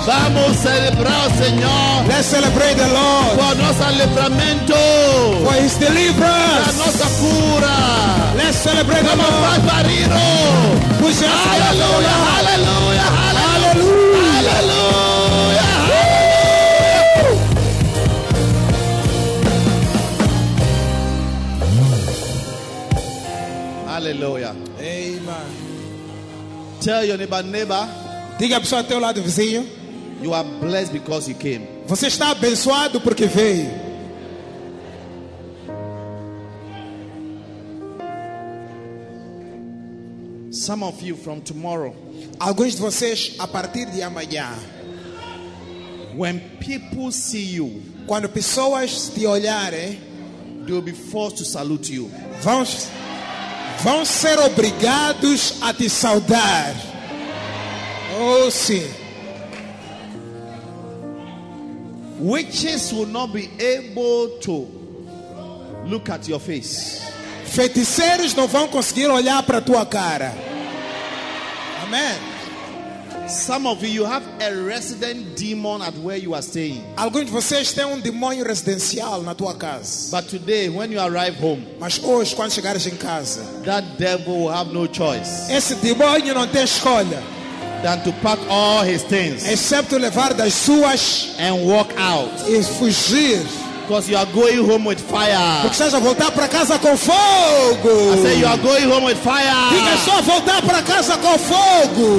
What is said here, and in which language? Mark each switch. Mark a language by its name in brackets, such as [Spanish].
[Portuguese] Vamos celebrar o Senhor. [English] Let's celebrate the Lord. [Portuguese] Por nosso livramento. [English] For his deliverance. [Portuguese] Para nossa cura. [English] Let's celebrate the Lord. [Portuguese] Vamos parir. Hallelujah. Hallelujah. Hallelujah. Hallelujah. Hallelujah. Hallelujah. Hallelujah. Hallelujah. Amen. [English] Tell your neighbor, neighbor. [Portuguese] Diga a pessoa ao teu lado vizinho. [English] You are blessed because you came. [Portuguese] Você está abençoado porque veio. [English] Some of you from tomorrow. [Portuguese] Alguns de vocês a partir de amanhã. [English] When people see you, [Portuguese] quando pessoas te olharem, [English] they will be forced to salute you. [Portuguese] Vão ser obrigados a te saudar. Oh, sim. [English] Witches will not be able to look at your face. [Portuguese] Feiticeiros não vão conseguir olhar para tua cara. Amen. [English] Some of you have a resident demon at where you are staying. [Portuguese] Alguns de vocês têm demônio residencial na tua casa. [English] But today, when you arrive home, [Portuguese] mas hoje quando chegares em casa, [English] that devil will have no choice. [Portuguese] Esse demônio não tem escolha. [English] Than to pack all his things. [Portuguese] Excepto levar das suas [English] and walk out. [Portuguese] E fugir. [English] Because you are going home with fire. [Portuguese] Porque estás a voltar para casa com fogo. [English] I say you are going home with fire. [Portuguese] Diga só voltar para casa com fogo.